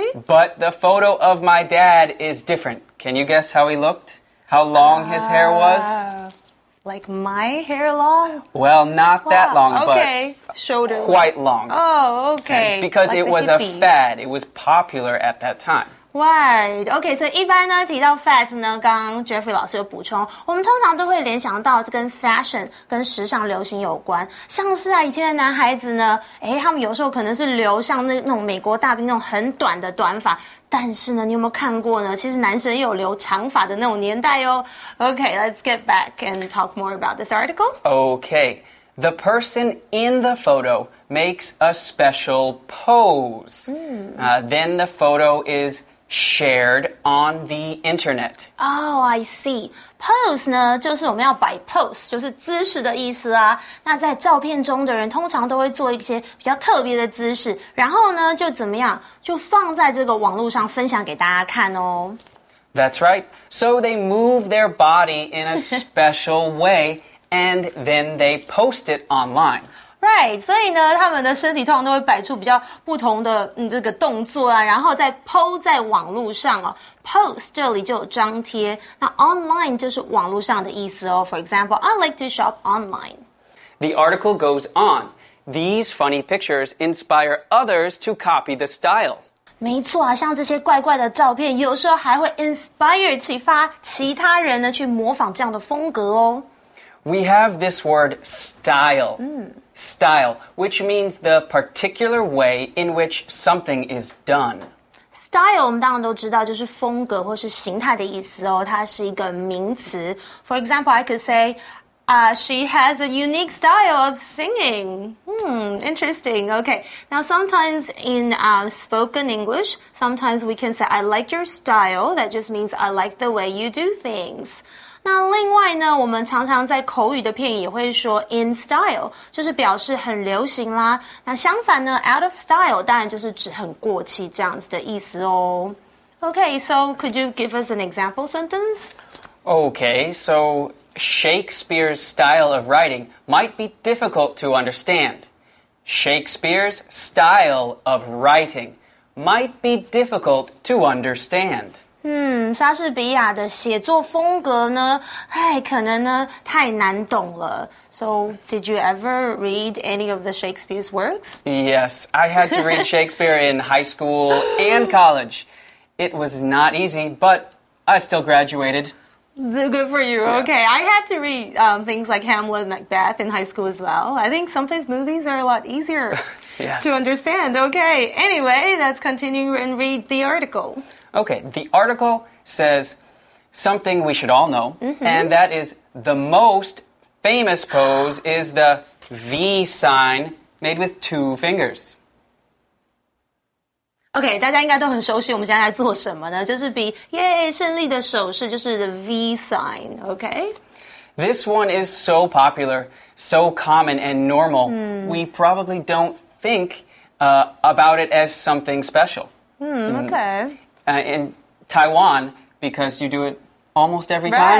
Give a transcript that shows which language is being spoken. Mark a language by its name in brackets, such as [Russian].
[English] But the photo of my dad is different. Can you guess how he looked? How long his hair was? Like my hair long? Well, not that long, but shoulders. Quite long. Oh, okay. Because it was a fad. It was popular at that time. Right. [Chinese] OK, 所以一般呢提到 fads 呢，刚刚 Jeffrey 老师有补充，我们通常都会联想到跟 fashion 跟时尚流行有关，像是啊以前的男孩子呢，诶，他们有时候可能是留像那种美国大兵那种很短的短发，但是呢你有没有看过呢，其实男生也有留长发的那种年代哦。 [English] OK, let's get back and talk more about this article. OK, the person in the photo makes a special pose. Then the photo is shared on the internet. Oh, I see. [Chinese] Pose 呢，就是我们要摆 pose, 就是姿势的意思啊。那在照片中的人通常都会做一些比较特别的姿势，然后呢，就怎么样，就放在这个网络上分享给大家看哦。 [English] That's right. So they move their body in a special way, and then they post it online. [Chinese] Right, 所以呢他们的身体通常都会摆出比较不同的这个动作啊，然后再 po 在网络上哦。 Post 这里就有张贴，那 online 就是网络上的意思哦。 [English] For example, I like to shop online. The article goes on. These funny pictures inspire others to copy the style. [Chinese] 没错啊，像这些怪怪的照片有时候还会 inspire 启发其他人呢去模仿这样的风格哦。 [English] We have this word style. Style, which means the particular way in which something is done. [Chinese] Style, 我们当然都知道就是风格或是形态的意思哦，它是一个名词。 [English] For example, I could say, she has a unique style of singing. Interesting. Okay, now sometimes in spoken English, sometimes we can say, I like your style. That just means I like the way you do things. [Chinese] 那另外呢，我们常常在口语的片语也会说 in style, 就是表示很流行啦。那相反呢， out of style 当然就是指很过气这样子的意思哦。 [English] Okay, so could you give us an example sentence? Okay, so Shakespeare's style of writing might be difficult to understand. Shakespeare's style of writing might be difficult to understand. [Chinese] 莎士比亚的写作风格呢，哎，可能呢太难懂了。 [English] So, did you ever read any of the Shakespeare's works? Yes, I had to read Shakespeare in high school and college. It was not easy, but I still graduated. Good for you. Okay, I had to read things like Hamlet and Macbeth in high school as well. I think sometimes movies are a lot easier yes. to understand. Okay, anyway, let's continue and read the article. Okay, the article says something we should all know,、mm-hmm. and that is the most famous pose is the V sign made with two fingers. [Chinese] Okay, 大家应该都很熟悉我们现在在做什么呢？就是比耶胜利的手势，就是 [English] the V sign, okay? This one is so popular, so common and normal,、we probably don't think、about it as something special. Okay. In Taiwan, because you do it almost every time.